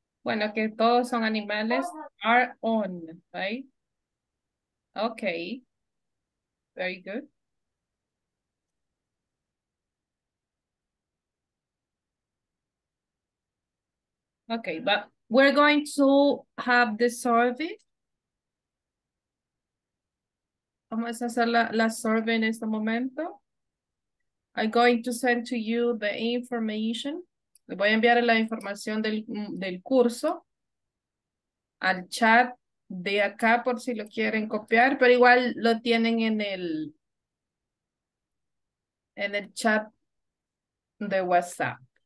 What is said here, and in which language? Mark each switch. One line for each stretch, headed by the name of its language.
English: Bueno,
Spanish: que todos son animales
English: are owned, right? Okay. Very good. Okay, but we're going to have the survey.
Spanish: Vamos a hacer la survey en este momento.
English: I'm going to send to you the information.
Spanish: Le voy a enviar la información del curso al chat de acá por si lo quieren copiar, pero igual lo tienen en el chat de WhatsApp.